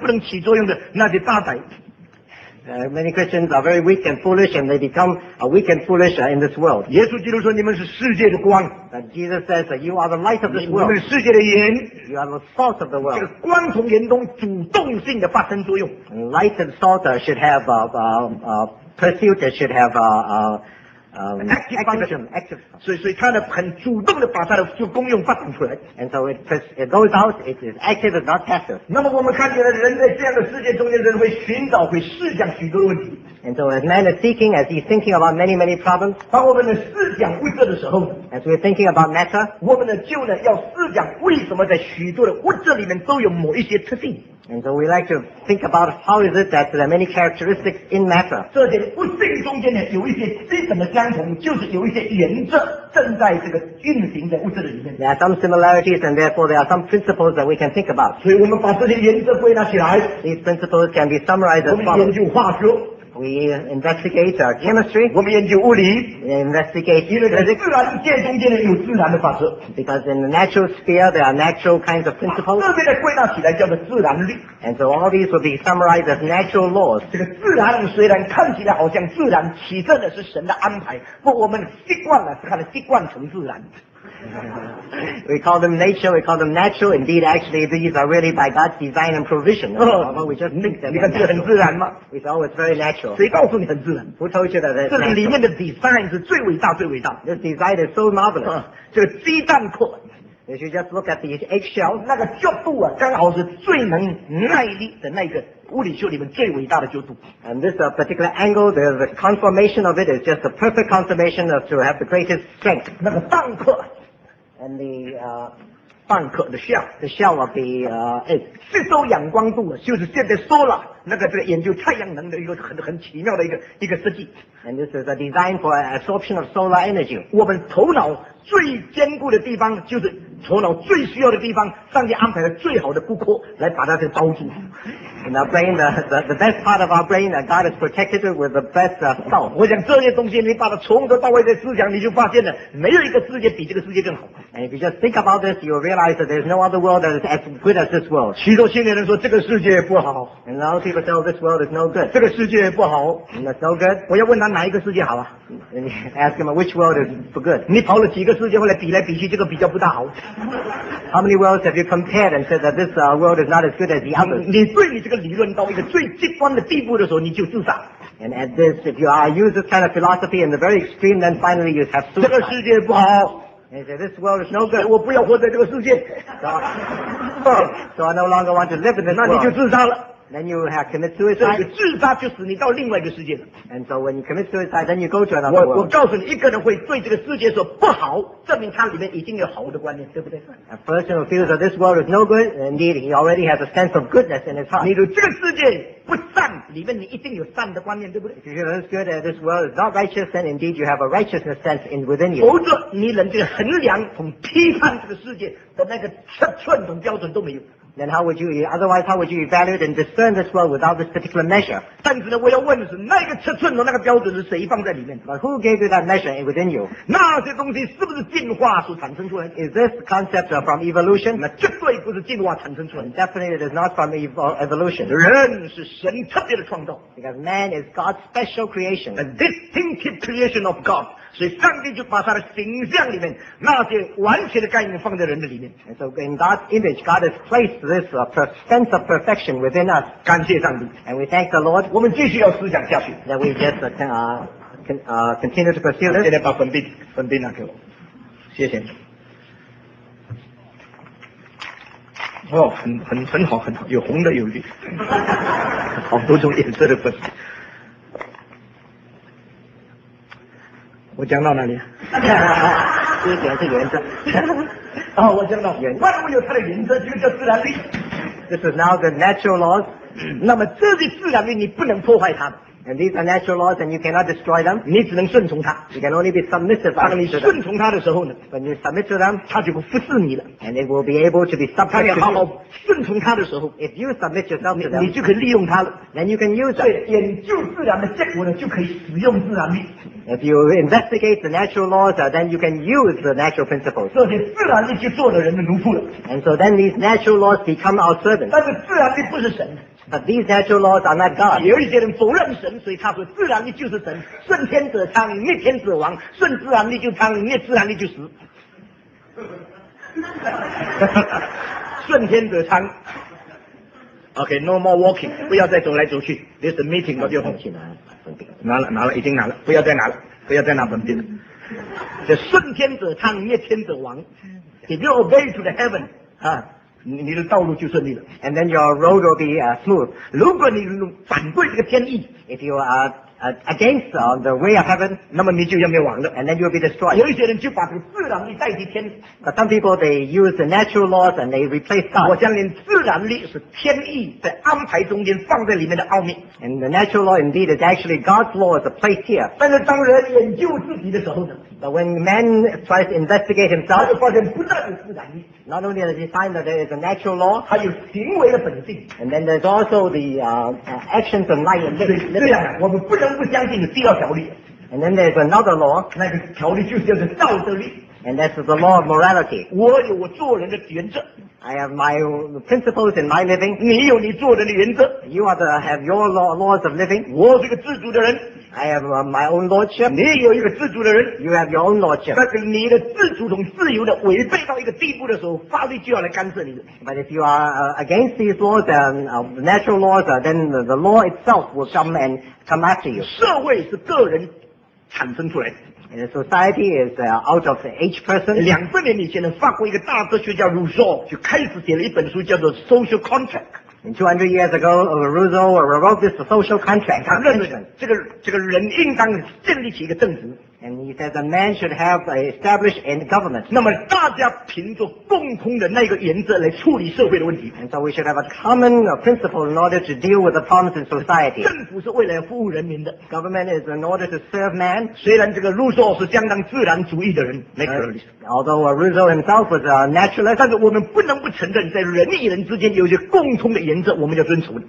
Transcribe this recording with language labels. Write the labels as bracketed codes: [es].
[en] Many Christians are very weak and foolish, and they become weak and foolish in this world. Jesus says that you are the light of this world. You are the salt of the world. [zh] 这个光从眼中主动性的发生作用。 [en] Light and salt should have pursuit. Should have And so it goes out, it is active, it's not passive. [zh] 那么我们看见了人在这样的世界中间，人会寻找，会思想许多问题。 [en] And so as man is seeking, as he's thinking about many, many problems, [zh] 当我们的思想为这的时候， [en] as we're thinking about matter, [zh] 我们的就呢要思想为什么在许多的物质里面都有某一些特性。 [en] And so we like to think about how is it that there are many characteristics in matter. [zh] 这些物性中间呢有一些基本的相同，就是有一些原则正在这个运行在物质的里面。 [en] There are some similarities, and therefore there are some principles that we can think about. [zh] 所以我们把这些原则归纳起来。 [en] These principles can be summarized as follows. [zh] 我们研究化学。 [en] We investigate our chemistry. [zh] 我们研究物理。 [en] We investigate physics. [zh] 因为自然界中间有自然的法则。 [en] Because in the natural sphere, there are natural kinds of principles. [zh] 这边的归纳起来叫做自然律。 [en] And so all these will be summarized as natural laws. [zh] 这个自然虽然看起来好像自然，其实呢是神的安排。不，我们习惯了，是看了习惯成自然。 [en] We call them nature, we call them natural. Indeed, actually, these are really by God's design and provision. Although we just think them. [zh] 你看这很自然吗？ [en] It's always very natural. [zh] 谁告诉你很自然？ [en] Who told you that it's natural? [zh] 这里面的 design 是最伟大最伟大。 [en] This design is so marvelous. [zh] 这个鸡蛋壳。 [en] If you just look at the eggshell, [zh] 那个角度啊，刚好是最能耐力的那个物理学里面最伟大的角度。 [en] And this particular angle, the conformation of it is just the perfect conformation of to have the greatest strength. [zh] 那个蛋壳。 [en] And the, [zh] 蛋壳 [en] the shell. The shell of the, egg. [zh] 吸收阳光度就是现在 solar, 那个这个研究太阳能的一个很奇妙的一个设计。 [en] And this is a design for absorption of solar energy. [zh] 我们头脑最坚固的地方就是头脑最需要的地方，上帝安排了最好的骨科来把它给包住。 [en] In our brain, the best part of our brain, God has protected it with the best cell. [zh] 我想这些东西，你把它从头到尾的思想，你就发现了，没有一个世界比这个世界更好。 [en] And if you just think about this, you will realize that there is no other world that is as good as this world. [zh] 许多青年人说这个世界不好。 [en] And a lot of people tell this world is no good. [zh] 这个世界不好。 [en] And it's no good. [zh] 我要问他哪一个世界好啊？ [en] And you ask him which world is for good. [zh] 你跑了几个世界后来比来比去，这个比较不大好。 [en] How many worlds have you compared and said that this world is not as good as the others? [zh] 你对你这个理论到一个最极端的地步的时候，你就自杀。 [en] And at this, if you use this kind of philosophy in the very extreme, then finally you have suicide. [zh] 这个世界不好。 [en] And say, this world is no good. [zh] 我不要活在这个世界。 [en] So I no longer want to live in this world. [zh] 那你就自杀了。 [en] Then you have commit suicide. [zh] 自杀就是你到另外一个世界了。 [en] And so when you commit suicide, then you go to another world. [zh] 我告诉你，一个人会对这个世界说不好，证明他里面已经有好的观念，对不对？ [en] A person who feels that this world is no good, indeed he already has a sense of goodness in his heart. [zh] 你对这个世界不善，里面你一定有善的观念，对不对？ [en] If you feel this good, this world is not righteous, then indeed you have a righteousness sense in within you. [zh] 否则你连这个衡量、从批判这个世界的那个尺寸、从标准都没有。 [en] then how would you, otherwise how would you evaluate and discern this world without this particular measure? [zh] 但是呢我要问的是那个尺寸的那个标准是谁放在里面 [en] But who gave you that measure within you? [zh] 那些东西是不是进化所产生出来 [en] Is this concept from evolution? [zh] 那绝对不是进化产生出来 [en] Definitely it is not from evolution. [zh] 人是神特别的创造 [en] Because man is God's special creation. A distinctive creation of God. [zh] 所以上帝就把他的形象里面那些完全的概念放在人的里面。 [en] And so in God's image, God has placed this sense of perfection within us. [zh] 感谢上帝。 [en] And we thank the Lord. [zh] 我们继续要思想下去。 [en] That we just continue to pursue this. [zh] 现在把粉笔拿给我。谢谢。哦，很好，很好，有红的，有绿，好多种颜色的粉笔。我讲到哪里？这个是原则。哦，我讲到原则。万物有它的原则，就叫自然力。 [en] This is now the natural laws. [zh] 那么这些自然力你不能破坏它。 [en] And these are natural laws, and you cannot destroy them. [zh] 你只能顺从它。 [en] You can only be submissive. [zh] 当你顺从它的时候呢 [en] ？When you submit to them, [zh] 它就不服侍你了。 [en] And it will be able to be subject to you. [zh] 它要好好顺从它的时候 [en] ，if you submit yourself to them, [zh] 你就可以利用它了。 [en] Then you can use it. [zh] 研究自然的结果呢，就可以使用自然力。 [en] If you investigate the natural laws, then you can use the natural principles. [zh] 这些自然力就做了人的奴仆了。 [en] And so then these natural laws become our servants. [zh] 但是自然力不是神。 [en] But these natural laws are not God. [zh] 有一些人否认神，所以他说自然力就是神。顺天者昌，逆天者亡。顺自然力就昌，逆自然力就死。顺天者昌。 [en] Okay, no more walking. [zh] 不要再走来走去。 [en] This meeting [zh] 我就放弃了。拿了，拿了，已经拿了。不要再拿了，不要再拿本笔了。这顺天者昌，逆天者亡。 [en] If you obey to the heaven, [zh] 你的道路就顺利了 [en] And then your road will be smooth [zh] 如果你反对这个天意 [en] If you are against the way of heaven [zh] 那么你就要灭亡了 [en] And then you will be destroyed [zh] 有一些人就把这个自然力代替天 [en] But some people they use the natural laws and they replace God [zh] 我相信自然力是天意在安排中间放在里面的奥秘 [en] And the natural law indeed is actually God's law is placed here [zh] 但是当人研究自己的时候呢 [en] But when man tries to investigate himself [zh] 他就发现不但有自然力 [en] Not only does he find that there is a natural law, [zh] 还有行为的本性 [en] and then there's also the actions of life. [zh] 对呀，我们不能不相信有第二条律 [en] And then there's another law. [zh] 那个条律就是叫做道德律 [en] And that's the law of morality. [zh] 我有我做人的原则 [en] I have my principles in my living. [zh] 你有你做人的原则 [en] You have your laws of living. [zh] 我是个自主的人 [en] I have my own lordship. [zh] 你有一个自主的人 [en] You have your own lordship. [zh] 但是你的自主同自由的违背到一个地步的时候，法律就要来干涉你了。 [en] But if you are against these laws and natural laws, then the law itself will come and come after you. [zh] 社会是个人产生出来的。 [en] And society is out of each person. [zh] 两百年以前呢，法国一个大哲学家 Rousseau 就开始写了一本书，叫做 Social Contract。 [en] And 200 years ago, Rousseau wrote this social contract. [zh] 他认为这个人应当建立起一个政府。 [en] And he says a man should have established a government. [zh] 那么大家凭着共同的那个原则来处理社会的问题。 [en] And so we should have a common principle in order to deal with the problems in society. [zh] 政府是为了服务人民的。 [en] Government is in order to serve man. [zh] 虽然这个 Rousseau 是相当自然主义的人 ，naturalist. [en] Although Rousseau himself was a naturalist, [zh] 但是我们不能不承认，在人与人之间有一些共同的原则，我们要遵守的。